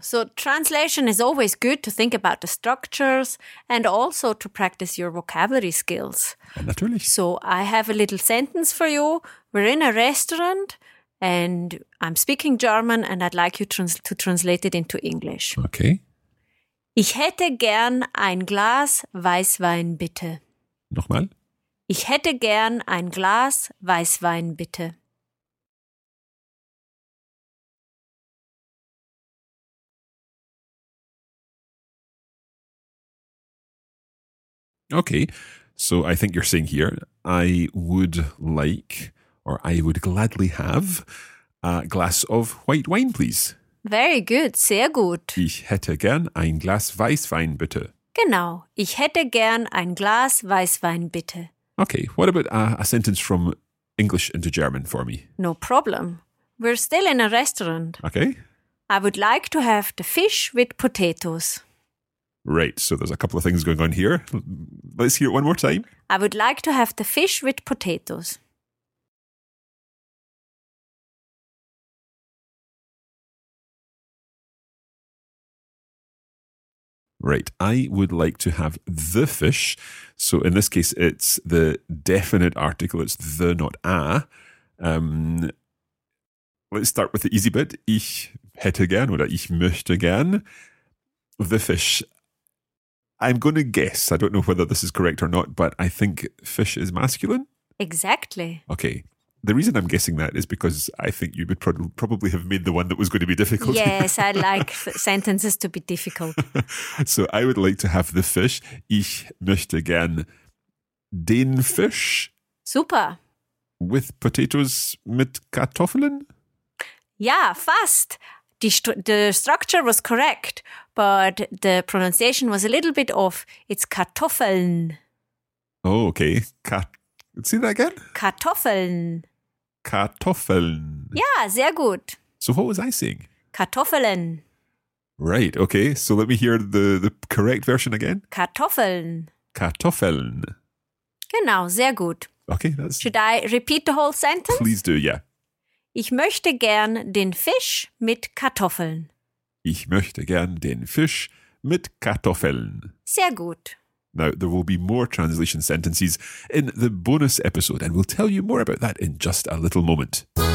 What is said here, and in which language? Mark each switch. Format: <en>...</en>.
<en>So translation is always good to think about the structures and also to practice your vocabulary skills.</en> <de>Natürlich.</de> <en>So I have a little sentence for you. We're in a restaurant and I'm speaking German and I'd like you to translate it into English. Okay.</en> <de>Ich hätte gern ein Glas Weißwein, bitte. Nochmal. Ich hätte gern ein Glas Weißwein, bitte.</de> <en>Okay, so I think you're saying here, I would like, or I would gladly have, a glass of white wine, please. Very good,</en> <de>sehr gut. Ich hätte gern ein Glas Weißwein, bitte. Genau, ich hätte gern ein Glas Weißwein, bitte.</de> <en>Okay, what about a sentence from English into German for me? No problem. We're still in a restaurant. Okay. I would like to have the fish with potatoes. Right, so there's a couple of things going on here. Let's hear it one more time. I would like to have the fish with potatoes. Right. I would like to have the fish. So in this case, it's the definite article. It's the, not a. Let's start with the easy bit.</en> <de>Ich hätte gern oder ich möchte gern.</de> <en>The fish. I'm going to guess. I don't know whether this is correct or not, but I think fish is masculine. Exactly. Okay. The reason I'm guessing that is because I think you would probably have made the one that was going to be difficult. Yes, I like sentences to be difficult. So I would like to have the fish.</en> <de>Ich möchte gern den Fisch.</de> <en>Super. With potatoes</en> <de>mit Kartoffeln? Ja, fast.</de> <en>The structure was correct, but the pronunciation was a little bit off. It's Kartoffeln. Oh, okay. See that again?</en> <de>Kartoffeln. Kartoffeln. Yeah, sehr gut.</de> <en>So what was I saying?</en> <de>Kartoffeln.</de> <en>Right, okay. So let me hear the correct version again.</en> <de>Kartoffeln. Kartoffeln. Genau, sehr gut.</de> <en>Okay, that's... Should I repeat the whole sentence? Please do, yeah.</en> <de>Ich möchte gern den Fisch mit Kartoffeln. Ich möchte gern den Fisch mit Kartoffeln. Sehr gut.</de> <en>Now, there will be more translation sentences in the bonus episode, and we'll tell you more about that in just a little moment.</en>